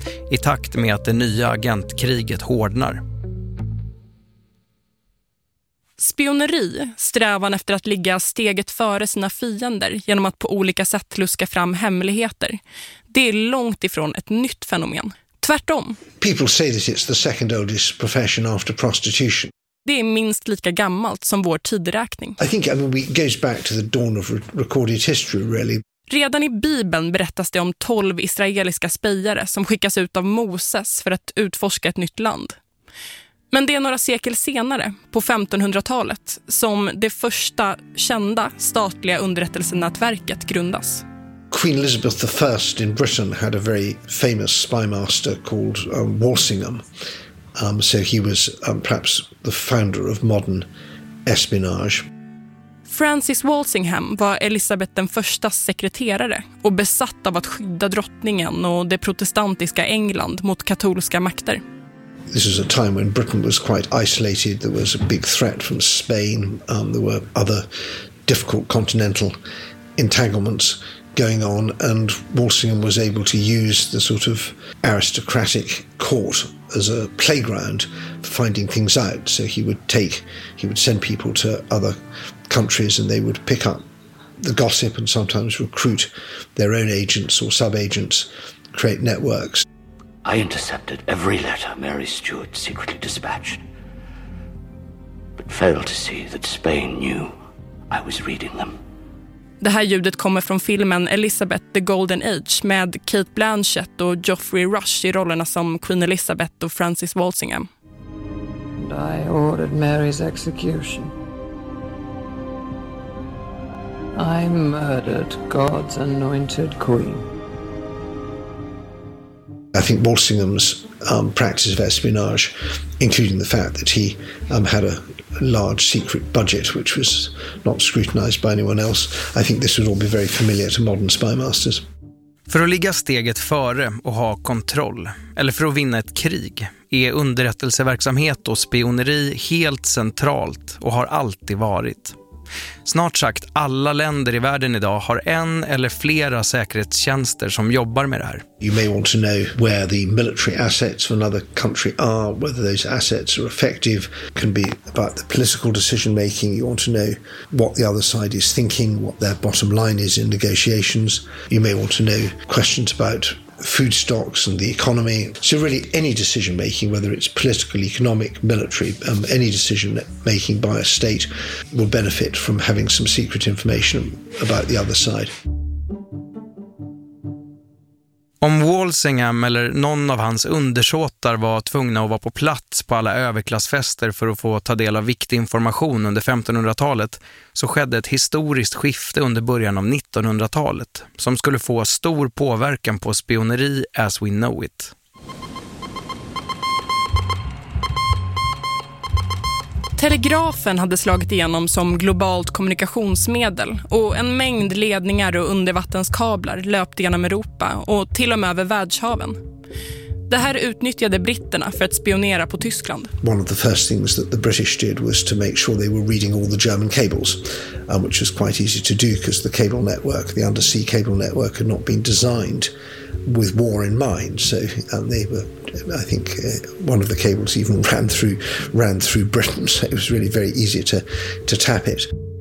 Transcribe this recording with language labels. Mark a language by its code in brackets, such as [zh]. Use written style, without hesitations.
[sv] I takt med att det nya agentkriget hårdnar. Spioneri, strävan efter att ligga steget före sina fiender genom att på olika sätt luska fram hemligheter, det är långt ifrån ett nytt fenomen. Tvärtom. [en] People say that it's the second oldest profession after prostitution. [sv] Det är minst lika gammalt som vår tideräkning. [en] I think we goes back to the dawn of recorded history really. [sv] Redan i Bibeln berättas det om 12 israeliska spejare som skickas ut av Moses för att utforska ett nytt land. Men det är några sekel senare, på 1500-talet, som det första kända statliga underrättelsenätverket grundas. [en] Queen Elizabeth I in Britain had a very famous spymaster called Walsingham. So he was perhaps the founder of modern espionage. [sv] Francis Walsingham var Elisabeth den första sekreterare och besatt av att skydda drottningen och det protestantiska England mot katolska makter. [en] This was a time when Britain was quite isolated. There was a big threat from Spain. There were other difficult continental entanglements going on, and Walsingham was able to use the sort of aristocratic court as a playground for finding things out. So he would send people to other countries and they would pick up the gossip and sometimes recruit their own agents or sub-agents, create networks. I intercepted every letter Mary Stuart secretly dispatched, but failed to see that Spain knew I was reading them. [sv] Det här ljudet kommer från filmen Elizabeth the Golden Age med Kate Blanchett och Geoffrey Rush i rollerna som Queen Elizabeth och Francis Walsingham. [en] And I ordered Mary's execution. I murdered God's anointed queen. I think Walsingham's practice of espionage, including the fact that he had a large secret budget which was not scrutinized by anyone else, I think this would all be very familiar to modern spymasters. [sv] För att ligga steget före och ha kontroll, eller för att vinna ett krig, är underrättelseverksamhet och spioneri helt centralt och har alltid varit. Snart sagt, alla länder i världen idag har en eller flera säkerhetstjänster som jobbar med det här. [en] You may want to know where the military assets of another country are, whether those assets are effective. It can be about the political decision making. You want to know what the other side is thinking, what their bottom line is in negotiations. You may want to know questions about food stocks and the economy. So really any decision making, whether it's political, economic, military, any decision making by a state will benefit from having some secret information about the other side. [sv] Om Walsingham eller någon av hans undersåtar var tvungna att vara på plats på alla överklassfester för att få ta del av viktig information under 1500-talet, så skedde ett historiskt skifte under början av 1900-talet som skulle få stor påverkan på spioneri [en] as we know it. [sv] Telegrafen hade slagit igenom som globalt kommunikationsmedel och en mängd ledningar och undervattenskablar löpte genom Europa och till och med över världshaven. Det här utnyttjade britterna för att spionera på Tyskland. [en] One of the first things that the British did was to make sure they were reading all the German cables, which was quite easy to do because the cable network, the undersea cable network, had not been designed with war in mind. So they were, I think one of the cables even ran through Britain, so it was really very easy to tap it.